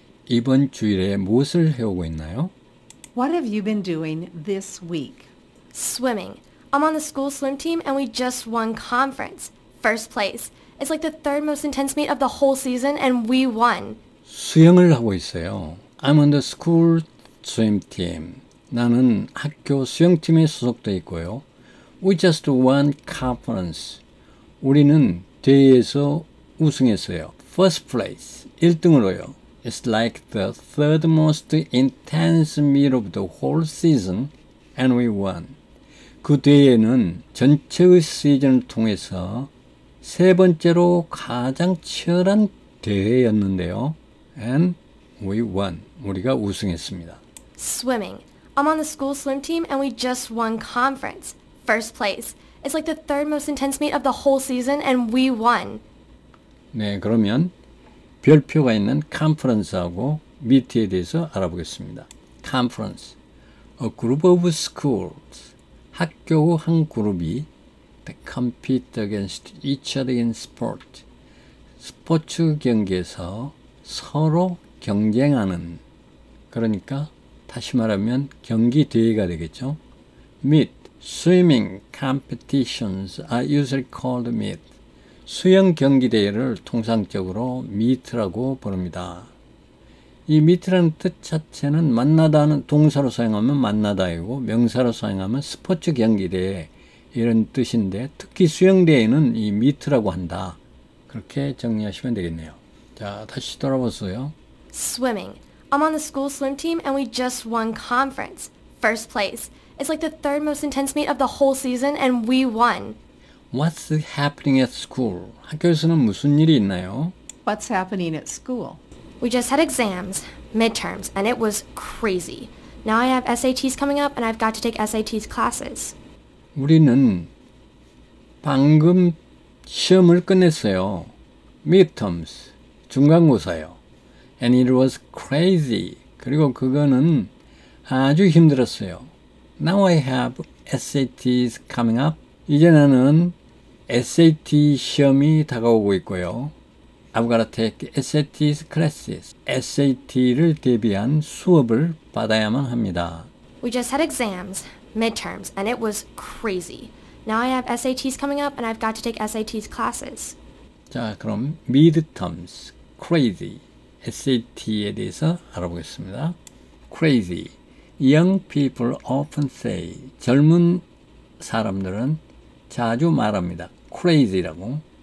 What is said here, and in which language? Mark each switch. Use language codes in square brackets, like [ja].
[ko] 이번 주일에 무엇을 해오고 있나요? [en] What have you been doing this week? Swimming. I'm on the school swim team and we just won conference. First place. It's like the third most intense meet of the whole season and we won. [ko] 수영을 하고 있어요. [en] I'm on the school swim team. [ko] 나는 학교 수영팀에 소속되어 있고요. [en] We just won conference. [ko] 우리는 대회에서 우승했어요. [en] First place. [ko] 1등으로요. [en] It's like the third most intense meet of the whole season and we won. [ko] 그 대회는 전체의 시즌을 통해서 세 번째로 가장 치열한 대회였는데요. [en] And we won. [ko] 우리가 우승했습니다. [en] Swimming. I'm on the school swim team and we just won conference. First place. It's like the third most intense meet of the whole season and we won. [ko] 네, 그러면 별표가 있는 컨퍼런스하고 미트에 대해서 알아보겠습니다. [en] Conference. A group of schools. [ko] 학교 한 그룹이 [en] they compete against each other in sport. [ko] 스포츠 경기에서 서로 경쟁하는 그러니까 다시 말하면 경기 대회가 되겠죠. [en] Meet. Swimming competitions are usually called meet. [ko] 수영 경기 대회를 통상적으로 meet라고 부릅니다. 이 meet라는 뜻 자체는 만나다는 동사로 사용하면 만나다이고 명사로 사용하면 스포츠 경기 대회 이런 뜻인데 특히 수영 대회는 이 meet라고 한다. 그렇게 정리하시면 되겠네요. 자, 다시 돌아보세요. [en] Swimming. I'm on the school swim team and we just won conference. First place. It's like the third most intense meet of the whole season and we won. What's happening at school? [ko] 학교에서는 무슨 일이 있나요? [en] What's happening at school? We just had exams, midterms, and it was crazy. Now I have SATs coming up and I've got to take SATs classes. [ko] 우리는 방금 시험을 끝냈어요. [en] Midterms, [ko] 중간고사요. [en] And it was crazy. [ko] 그리고 그거는 아주 힘들었어요. [en] Now I have SATs coming up. [ko] 이제 나는 SAT 시험이 다가오고 있고요. [en] I've got to take SATs classes. [ko] SAT를 대비한 수업을 받아야만 합니다. [en] We just had exams, midterms, and it was crazy. Now I have SATs coming up and I've got to take SATs classes. [ko] 자, 그럼 midterms, crazy. SAT에 대해서 알아보겠습니다. [en] Crazy. Young people often say, [ko] 젊은 사람들은 자주 말합니다. [en] Crazy라고.